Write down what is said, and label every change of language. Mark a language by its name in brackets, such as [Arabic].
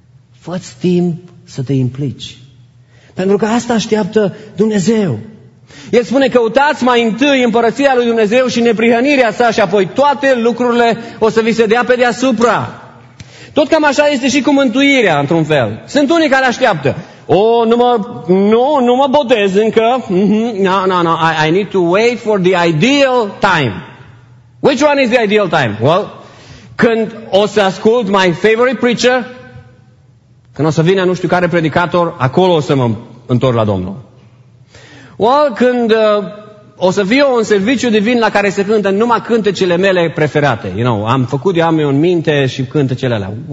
[Romanian] Fă-ți timp să te implici. Pentru că asta așteaptă Dumnezeu. El spune, căutați mai întâi împărăția lui Dumnezeu și neprihănirea sa și apoi toate lucrurile o să vi se dea pe deasupra. Tot cam așa este și cu mântuirea, într-un fel. Sunt unii care așteaptă. Nu mă botez încă. [English] I need to wait for the ideal time. Which one is the ideal time? [Romanian] Well, când o să ascult [English] my favorite preacher, [Romanian] când o să vină nu știu care predicator, acolo o să mă întorc la Domnul. Well, când o să fie un serviciu divin la care se cântă numai cântecele mele preferate. [English] You know, [Romanian] am făcut, eu am eu în minte și cântecele alea.